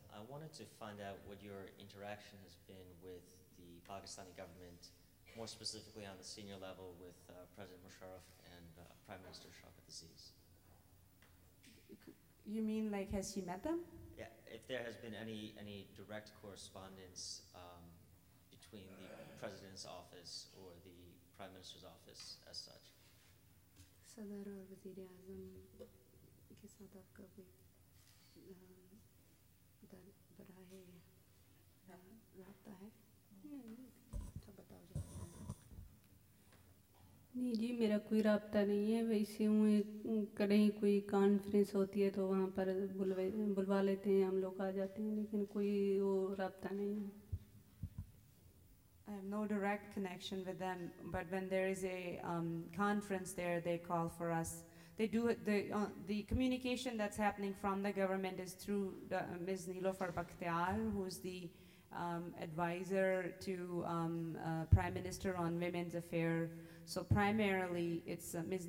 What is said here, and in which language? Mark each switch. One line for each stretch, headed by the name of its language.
English: I wanted to find out what your interaction has been with the Pakistani government, more specifically on the senior level with President Musharraf and Prime Minister Shaukat Aziz. You mean, like, has she met them? Yeah, if there has been any direct correspondence between the president's office or the prime minister's office as such.
Urdu: صدر اور وزیر اعظم کے ساتھ آپ کا کوئی براہ رابطہ ہے نہیں جی میرا کوئی رابطہ نہیں ہے ویسے ہوں کہیں کوئی کانفرنس ہوتی ہے تو وہاں پر بلوا لیتے ہیں ہم لوگ آ جاتے ہیں لیکن کوئی وہ رابطہ نہیں ہے
English: I have no direct connection with them but when there is a conference there they call for us they do the communication that's happening from the government is through Ms. Niloufar Bakhtiar who is the advisor to Prime Minister on Women's Affairs So primarily, it's Ms.